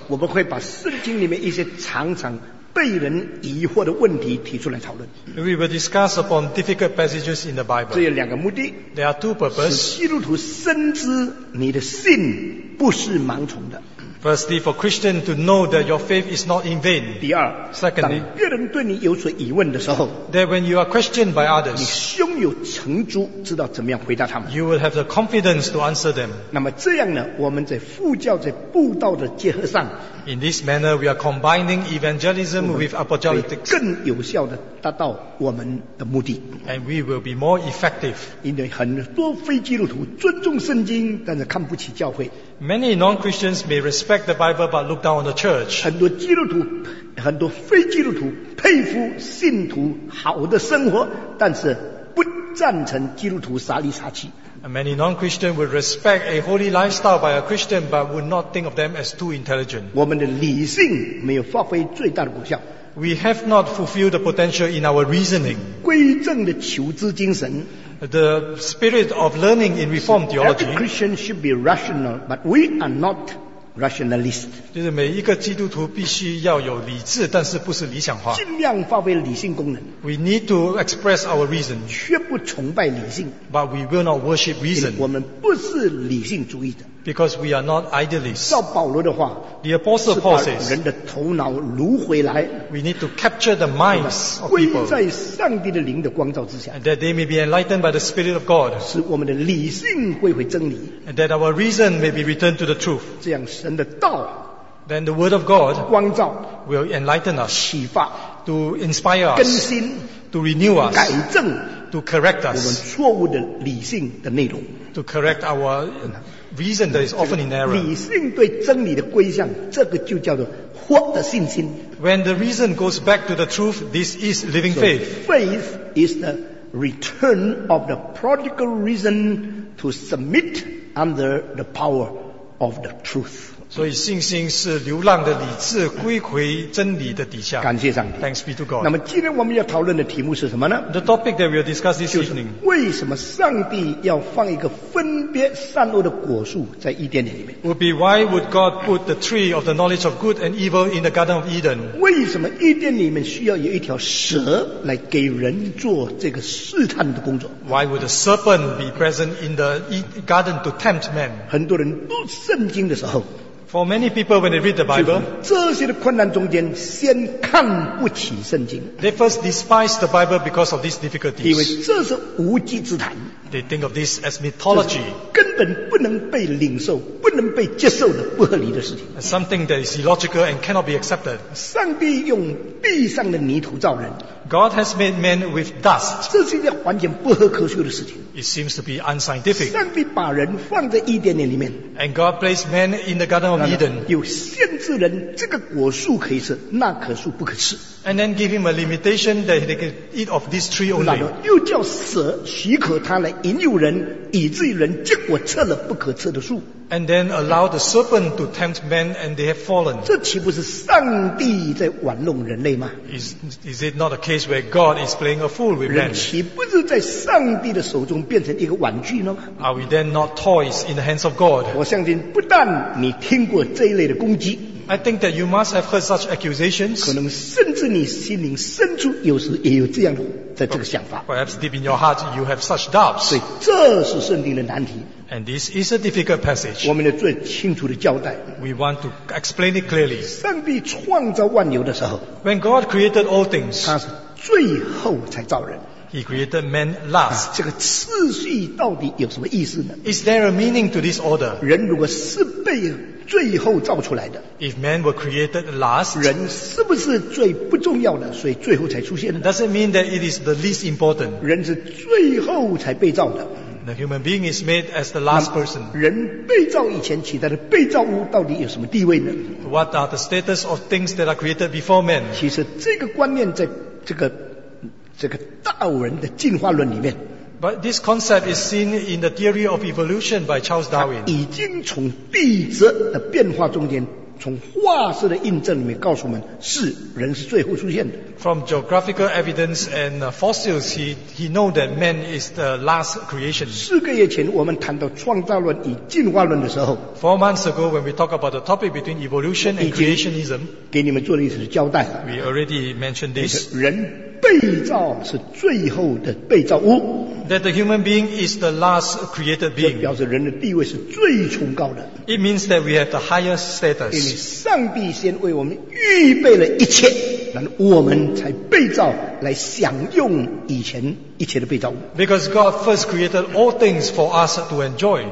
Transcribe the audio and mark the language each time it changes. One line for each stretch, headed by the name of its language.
Chinese: 我们会把圣经里面一些常常被人疑惑的问题提出来讨论
English: We will discuss upon difficult passages in the Bible
Chinese: 这有两个目的
English: There are two purposes
Chinese: 使基督徒深知你的信不是盲从的
English: Firstly, for Christians to know that your faith is not in vain
Chinese: 第二
English: Secondly,
Chinese: 当别人对你有所疑问的时候
English: That when you are questioned by others
Chinese: 你胸有成竹知道怎么样回答他们
English: You will have the confidence to answer them
Chinese: 那么这样呢我们在副教在布道的结合上
English: In this manner, we are combining evangelism with apologetics.
Chinese: 更有效地达到我们的目的。
English: And we will be more effective.
Chinese: 因为很多非基督徒尊重圣经，但是看不起教会。
English: Many non-Christians may respect the Bible but look down on the church.
Chinese: 很多基督徒，很多非基督徒佩服信徒好的生活，但是不赞成基督徒杀里杀气。
English: Many non-Christians would respect a holy lifestyle by a Christian but would not think of them as too intelligent.
Chinese: 我们的理性没有发挥最大的功效。
English: We have not fulfilled the potential in our reasoning.
Chinese: 归正的求知精神。
English: The spirit of learning in Reform theology. Every Christian should be rational, but we are not rationalist.
Chinese: 就是每一个基督徒必须要有理智，但是不是理想化。尽量发挥理性功能。
English: We need to express our reason.
Chinese: 却不崇拜理性。
English: But we will not worship reason.
Chinese: 我们不是理性主义的。
English: Because we are not idealists.
Chinese: 照保罗的话
English: ，The Apostle Paul says,
Chinese: 人的头脑掳回来。
English: We need to capture the minds of people.
Chinese: 归在上帝的灵的光照之下。
English: And that they may be enlightened by the Spirit of God.
Chinese: 使我们的理性归回真理。
English: And that our reason may be returned to the truth.
Chinese: 这样神的道。
English: Then the word of God
Chinese: 光照
English: will enlighten us,
Chinese: 启发
English: to inspire us,
Chinese: 更新
English: to renew us,
Chinese: 改正
English: to correct us,
Chinese: 我们错误的理性的内容
English: to correct our reason that is often in error.
Chinese: 理性对真理的归向，这个就叫做活的信心。
English: When the reason goes back to the truth, this is living faith. So faith is the return of the prodigal reason to submit under the power of the truth.
Chinese: 所以信心是流浪的理智归回真理的底下感谢上帝
English: Thanks be to God
Chinese: 那么今天我们要讨论的题目是什么呢
English: The topic that we will discuss this evening
Chinese: 为什么上帝要放一个分别善恶的果树在伊甸园里面
English: Would be why would God put the tree of the knowledge of good and evil in the garden of Eden
Chinese: 为什么伊甸里面需要有一条蛇来给人做这个试探的工作
English: Why would the serpent be present in the garden to tempt man
Chinese: 很多人读圣经的时候
English: For many people, when they read the Bible,
Chinese: 这些的困难中间，先看不起圣经。
English: They first despise the Bible because of these difficulties.
Chinese: 因为这是无稽之谈。
English: They think of this as mythology.
Chinese: 根本不能被领受，不能被接受的不合理的事情。
English: Something that is illogical and cannot be accepted.
Chinese: 上帝用地上的泥土造人。
English: God has made man with dust.
Chinese: 这是一件完全不合科学的事情。
English: It seems to be unscientific.
Chinese: 上帝把人放在伊甸园里面。
English: And God placed man in the Garden of Eden.
Chinese: 又限制人这个果树可以吃，那棵树不可吃。
English: And then give him a limitation that he can eat of this tree only.
Chinese: 又叫蛇许可他来引诱人，以至于人结果吃了不可吃的树。
English: And then allow the serpent to tempt man, and they have fallen.
Chinese: 这岂不是上帝在玩弄人类吗
English: ？Is it not a case where God is playing a fool with man?
Chinese: 人岂不是在上帝的手中变成一个玩具呢
English: ？Are we then not toys in the hands of God?
Chinese: 我相信，不但你听过这一类的攻击。
English: I think that you must have heard such accusations.
Chinese: 可能甚至你心灵深处有时也有这样的在这个想法。
English: Perhaps deep in your heart you have such doubts.
Chinese: 所以这是圣经的难题。
English: And this is a difficult passage.
Chinese: 我们要做清楚的交代。
English: We want to explain it clearly.
Chinese: 上帝创造万有的时候
English: ，When God created all things,
Chinese: 他是最后才造人。
English: He created man last.
Chinese: 这个次序到底有什么意思呢
English: ？Is there a meaning to this order?
Chinese: 人如果是被最后造出来的
English: ，If man were created last，
Chinese: 人是不是最不重要的，所以最后才出现的
English: ？Does it mean that it is the least important？
Chinese: 人是最后才被造的。
English: The human being is made as the last person.
Chinese: 人被造以前起到的被造物到底有什么地位呢
English: ？What are the status of things that are created before man？
Chinese: 其实这个观念在这个达尔文的进化论里面。
English: But this concept is seen in the theory of evolution by Charles Darwin.
Chinese: 已经从地质的变化中间从化石的印证里面告诉我们，是人是最后出现的。
English: From geographical evidence and fossils, he know that man is the last creation.
Chinese: 4个月前我们谈到创造论与进化论的时候
English: ，Four months ago when we talk about the topic between evolution and creationism,
Chinese: 给你们做了一次交代。
English: We already mentioned this.
Chinese: 人被造是最后的被造物。
English: That the human being is the last created being.
Chinese: 这表示人的地位是最崇高的。
English: It means that we have the highest status.
Chinese: 因为上帝先为我们预备了一切，然后我们才被造来享用以前一切的被造物。
English: Because God first created all things for us to enjoy.